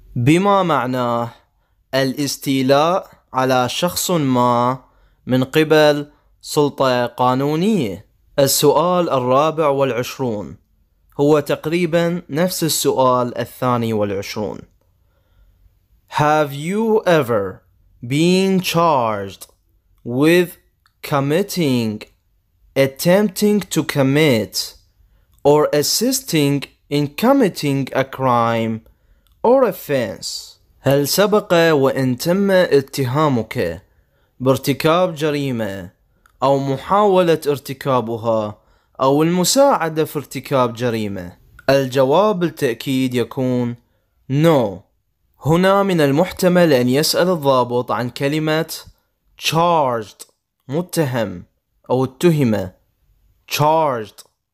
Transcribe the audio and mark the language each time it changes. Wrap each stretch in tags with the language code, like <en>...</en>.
<ar>بما معناه الاستيلاء على شخص ما من قبل سلطة قانونية. السؤال الرابع والعشرون هو تقريبا نفس السؤال الثاني والعشرون.</ar> <en>Have you ever been charged with committing, attempting to commit, or assisting in committing a crime or offense?</en> <ar>هل سبق وإن تم اتهامك بارتكاب جريمة أو محاولة ارتكابها أو المساعدة في ارتكاب جريمة؟ الجواب بالتأكيد يكون No. هنا من المحتمل أن يسأل الضابط عن كلمة charged متهم أو اتهم charged.</ar>